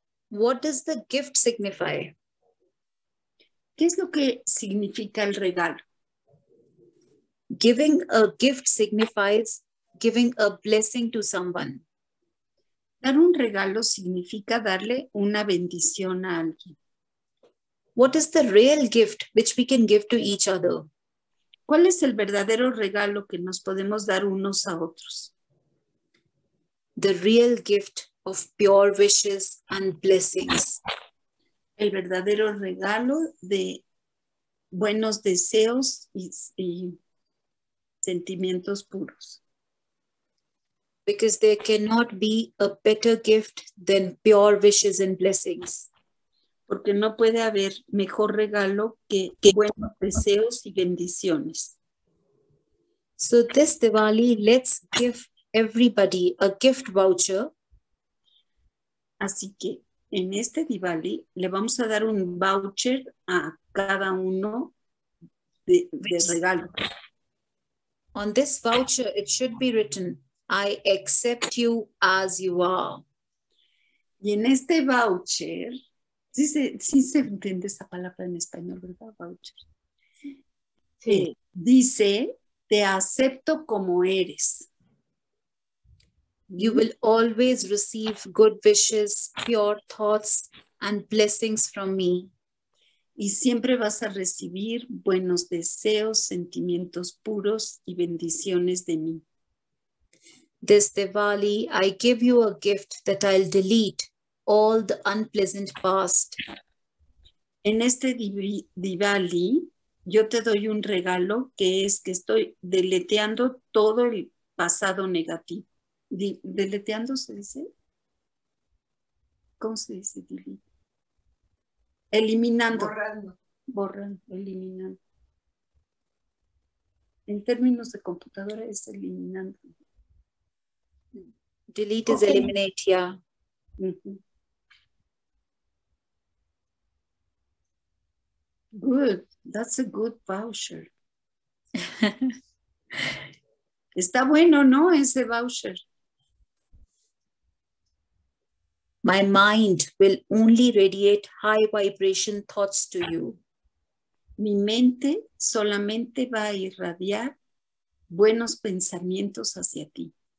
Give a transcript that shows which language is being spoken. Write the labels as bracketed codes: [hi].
[en] What does the gift signify? [es] ¿Qué es lo que significa el regalo? [en] Giving a gift signifies giving a blessing to someone. [es] Dar un regalo significa darle una bendición a alguien. [en] What is the real gift which we can give to each other? [es] ¿Cuál es el verdadero regalo que nos podemos dar unos a otros? [en] The real gift of pure wishes and blessings. [es] El verdadero regalo de buenos deseos y sentimientos puros. [en] Because there cannot be a better gift than pure wishes and blessings. [es] Porque no puede haber mejor regalo que buenos deseos y bendiciones. [en] So this Diwali, let's give everybody a gift voucher. [es] Así que en este Diwali le vamos a dar un voucher a cada uno de regalo. [en] On this voucher it should be written, I accept you as you are. [es] Y en este voucher, sí se entiende esa palabra en español, ¿verdad? Voucher. Sí. Dice, te acepto como eres. You will always receive good wishes, pure thoughts, and blessings from me. Y siempre vas a recibir buenos deseos, sentimientos puros y bendiciones de mí. This Diwali, I give you a gift that I'll delete all the unpleasant past. En este Diwali, yo te doy un regalo que es que estoy deleteando todo el pasado negativo. ¿Deleteando se dice? ¿Cómo se dice? Eliminando. Borrando, eliminando. En términos de computadora es eliminando. [en] Delete is eliminate, yeah. Mm-hmm. Good. That's a good voucher. [es] Está bueno, ¿no? Ese voucher. [en] My mind will only radiate high vibration thoughts to you. [es] Mi mente solamente va a irradiar buenos pensamientos hacia ti.